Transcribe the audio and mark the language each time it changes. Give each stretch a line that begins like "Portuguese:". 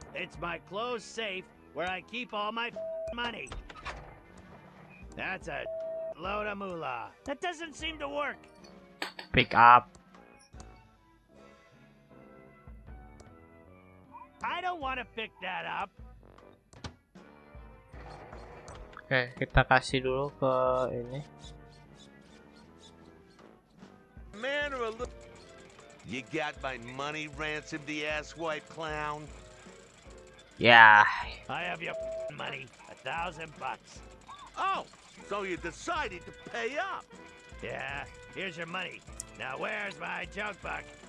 English: It's my closed safe where I keep all my money. That's a load of moolah. That doesn't seem to work. Pick up. I don't want to pick that up.
Indonesian: Oke, kita kasih dulu ke ini.
English: Man or a look. You got my money, Ransom the Asswipe Clown. Yeah. I have your money, $1,000. Oh, so you decided to pay up. Yeah, here's your money. Now where's my junk buck?